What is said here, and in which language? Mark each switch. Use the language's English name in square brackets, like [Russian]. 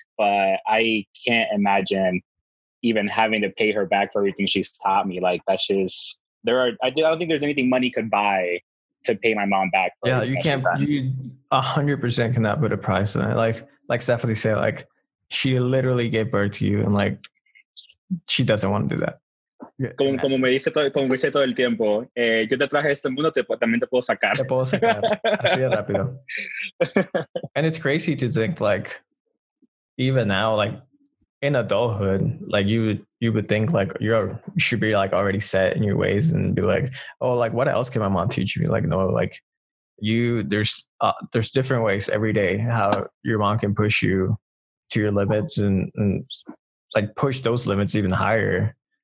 [English] But I can't imagine even having to pay her back for everything she's taught me. Like that's just, I don't think there's anything money could buy to pay my mom back. For you can't, you 100% cannot put a price on it. Like Stephanie said, like she literally gave birth to you and like, she doesn't want to do that. [Spanish] Como me dice como dice todo el tiempo, yo te traje este mundo, también te puedo sacar. Te puedo sacar. Así de rápido. [English] And it's crazy to think like, even now, like, in adulthood, like you would think like you should be like already set in your ways and be like, oh, like what else can my mom teach me? Like, no, like there's different ways every day how your mom can push you to your limits and like push those limits even higher.